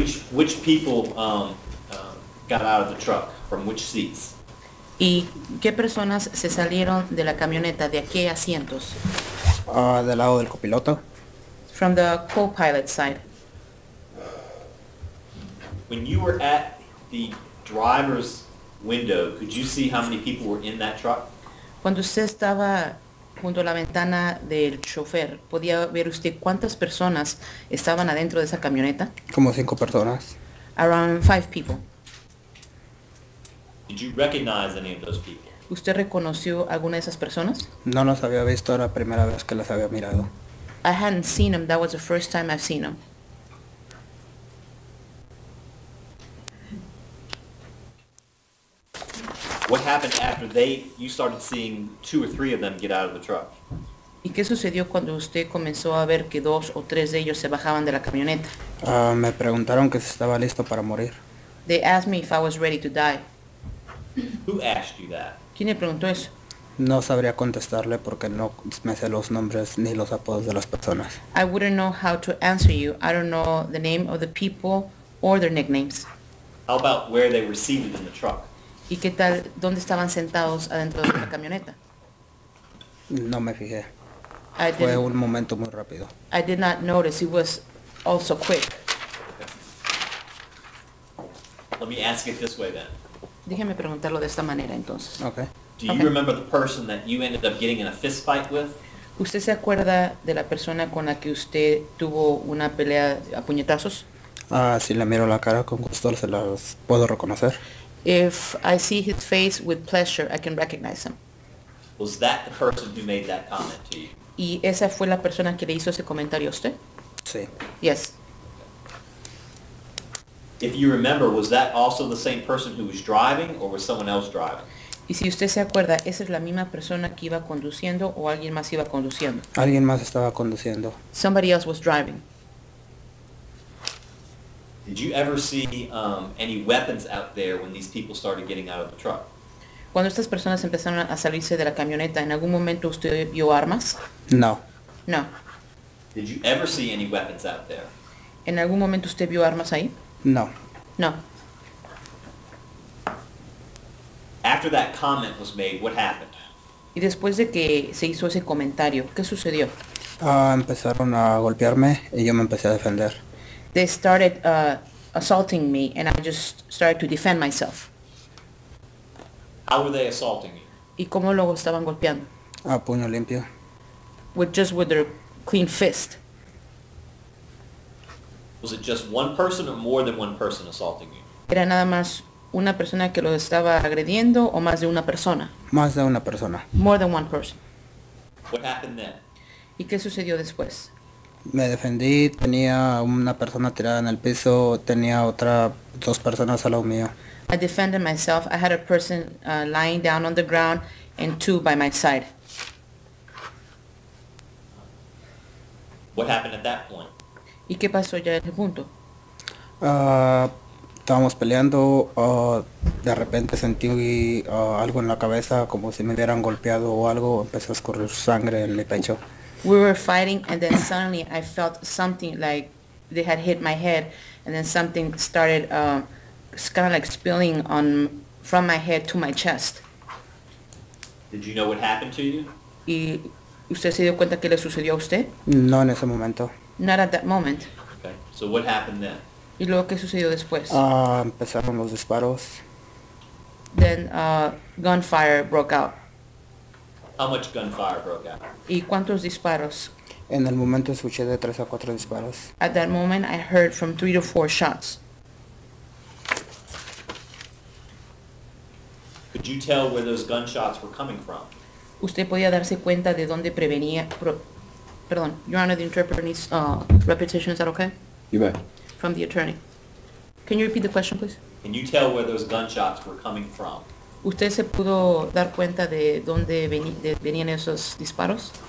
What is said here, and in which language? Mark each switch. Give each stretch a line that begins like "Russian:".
English: Which people got out of the truck from which seats?
Spanish: ¿Y qué personas se salieron de la camioneta? ¿De qué asientos? Del lado del copiloto.
English: From the co-pilot side. When you were at the driver's window, could you see how many people were in that truck?
Spanish: Cuando usted estaba junto a la ventana del chofer, ¿podía ver usted cuántas personas estaban adentro de esa camioneta? Como cinco personas.
English: Around five people. Did you recognize any of those people?
Spanish: ¿Usted reconoció alguna de esas personas? No los había visto, era la primera vez que las había mirado.
English: I hadn't seen them, that was the first time I've seen them. What happened after you started seeing two or three of them get out of the truck?
Spanish: ¿Y qué sucedió cuando usted comenzó a ver que dos o tres de ellos se bajaban de la camioneta? Me preguntaron que si estaba listo para morir.
English: They asked me if I was ready to die. Who asked you that?
Spanish: ¿Quién le preguntó eso? No sabría contestarle porque no me sé los nombres ni los apodos de las personas.
English: I wouldn't know how to answer you. I don't know the name of the people or their nicknames. How about where they were seated in the truck?
Spanish: ¿Y qué tal dónde estaban sentados adentro de la camioneta? No me fijé. Fue un momento muy rápido.
English: I did not notice. It was also quick. Let me ask it this way then.
Spanish: Déjeme preguntarlo de esta manera entonces.
English: Okay. Do you remember the person that you ended up getting in a fist fight with?
Spanish: ¿Usted se acuerda de la persona con la que usted tuvo una pelea a puñetazos? Si le miro la cara con gusto se las puedo reconocer.
English: If I see his face with pleasure, I can recognize him. Was that the person who made that comment to you?
Spanish: ¿Y esa fue la persona que le hizo ese comentario a usted? Sí.
English: Yes. If you remember, was that also the same person who was driving or was someone else driving?
Spanish: ¿Y si usted se acuerda, esa es la misma persona que iba conduciendo o alguien más iba conduciendo? Alguien más estaba conduciendo.
English: Somebody else was driving. Did you ever see any weapons out there when these people started getting out of the truck?
Spanish: Cuando estas personas empezaron a salirse de la camioneta, ¿en algún momento usted vio armas? No.
English: No. Did you ever see any weapons out there?
Spanish: ¿En algún momento usted vio armas ahí? No.
English: No. After that comment was made, what happened?
Spanish: Y después de que se hizo ese comentario, ¿qué sucedió? Empezaron a golpearme y yo me empecé a defender.
English: They started assaulting me, and I just started to defend myself. How were they assaulting you?
Spanish: ¿Y cómo lo estaban golpeando? A puño limpio.
English: With their clean fist. Was it just one person or more than one person assaulting you?
Spanish: ¿Era nada más una persona que lo estaba agrediendo o más de una persona? Más de una persona.
English: More than one person. What happened then?
Spanish: ¿Y qué sucedió después? Me defendí, tenía una persona tirada en el piso, tenía otra, dos personas al lado mío.
English: I defended myself. I had a person lying down on the ground and two by my side. What happened at that point?
Spanish: ¿Y qué pasó ya en ese punto? Estábamos peleando, de repente sentí algo en la cabeza, como si me hubieran golpeado o algo, empezó a escurrir sangre en mi pecho.
English: We were fighting and then suddenly I felt something like they had hit my head and then something started kind of like spilling on from my head to my chest. Did you know what happened to you?
Spanish: ¿Y usted se dio cuenta qué le sucedió a usted? No en ese momento.
English: Not at that moment. Okay. So what happened then?
Spanish: ¿Y luego qué sucedió después? Empezaron los disparos.
English: Then gunfire broke out. How much gunfire broke out?
Spanish: ¿Y cuántos disparos? En el momento escuché de 3 a 4 disparos.
English: At that moment, I heard from 3 to 4 shots. Could you tell where those gunshots were coming from?
Spanish: ¿Usted podía darse cuenta de dónde prevenía? Perdón,
English: Your Honor, the interpreter needs repetition. Is that okay? You may. From the attorney. Can you repeat the question, please? Can you tell where those gunshots were coming from?
Spanish: ¿Usted se pudo dar cuenta de dónde venían esos disparos?